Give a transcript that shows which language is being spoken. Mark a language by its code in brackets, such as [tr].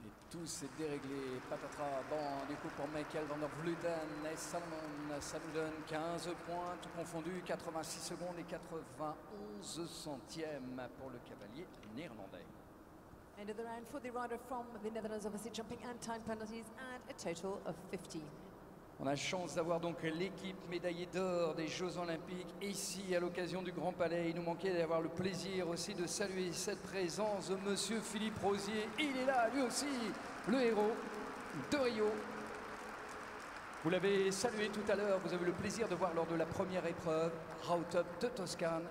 [fr] Tout s'est déréglé, patatras, bon, du coup pour Michael van der Vleuten et Salomon, ça nous donne 15 points, tout confondu, 86 secondes et 91 centièmes pour le cavalier néerlandais. [en] End of the round for the rider from the Netherlands, obviously jumping and time penalties and a total of 15. [fr] On a chance d'avoir donc l'équipe médaillée d'or des Jeux Olympiques ici à l'occasion du Grand Palais. Il nous manquait d'avoir le plaisir aussi de saluer cette présence de Monsieur Philippe Rosier. Il est là, lui aussi, le héros de Rio. Vous l'avez salué tout à l'heure, vous avez le plaisir de voir lors de la première épreuve, Rautop de Toscane.